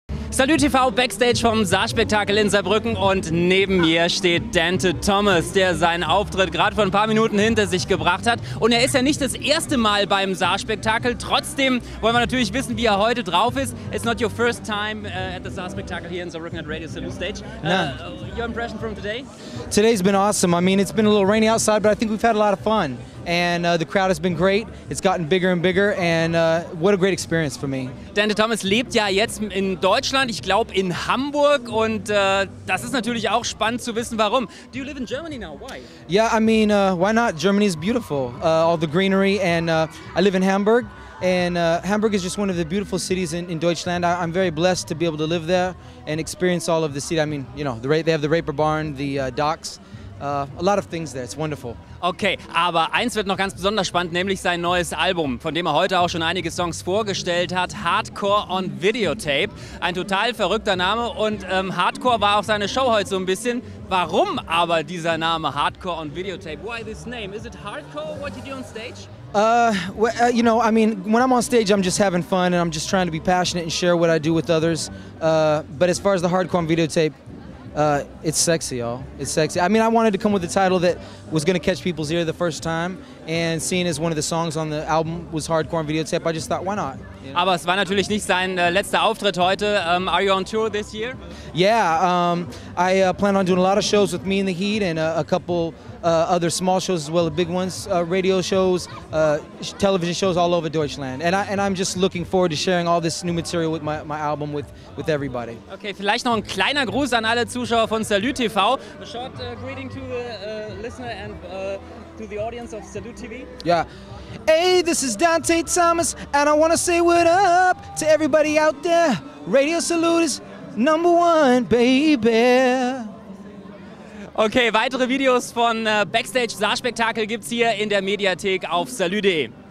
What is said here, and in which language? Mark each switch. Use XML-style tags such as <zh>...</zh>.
<de>Salut TV, Backstage vom Saarspektakel in Saarbrücken und neben mir steht Dante Thomas, der seinen Auftritt gerade vor ein paar Minuten hinter sich gebracht hat. Und er ist ja nicht das erste Mal beim Saarspektakel, trotzdem wollen wir natürlich wissen, wie er heute drauf ist.</de> <en>It's not your first time at the Saarspektakel here in Saarbrücken at Radio Salut Stage. Your impression from today? Today's been awesome. I mean, it's been a little rainy outside, but I think we've had a lot of fun. And the crowd has been great. It's gotten bigger and bigger. And what a great experience for me.</en> <de>Dante Thomas lebt ja jetzt in Deutschland, ich glaube in Hamburg. Und das ist natürlich auch spannend zu wissen, warum.</de> <en>Do you live in Germany now? Why? Yeah, I mean, why not? Germany is beautiful. All the greenery. And I live in Hamburg. And Hamburg is just one of the beautiful cities in Deutschland. I'm very blessed to be able to live there and experience all of the city. I mean, you know, they have the Raper Barn, the docks. A lot of things there. It's wonderful.</en> <de>Okay, aber eins wird noch ganz besonders spannend, nämlich sein neues Album, von dem er heute auch schon einige Songs vorgestellt hat. Hardcore on Videotape. Ein total verrückter Name und Hardcore war auch seine Show heute so ein bisschen. Warum aber dieser Name Hardcore on Videotape?</de> <en>Why this name? Is it hardcore what you do on stage? You know, I mean, when I'm on stage, I'm just having fun and I'm just trying to be passionate and share what I do with others. But as far as the Hardcore on Videotape, it's sexy, y'all. It's sexy. I mean, I wanted to come with a title that was going to catch people's ear the first time, and seeing as one of the songs on the album was Hardcore on Videotape, I just thought, why not?</en> <de>Aber es war natürlich nicht sein letzter Auftritt heute.</de> <en>Are you on tour this year? Yeah, I plan on doing a lot of shows with Me in the Heat and a couple other small shows as well, big ones, radio shows, television shows all over Deutschland. And I'm just looking forward to sharing all this new material with my album with everybody.</en> <de>Okay, vielleicht noch ein kleiner Gruß an alle Zuschauer von Salut TV.</de> <en>A short greeting to the listener and to the audience of Salut TV. Yeah. Hey, this is Dante Thomas, and I want to say what up to everybody out there. Radio Salut is number one, baby.</en> <de>Okay, weitere Videos von Backstage Saarspektakel gibt's hier in der Mediathek auf salut.de.</de>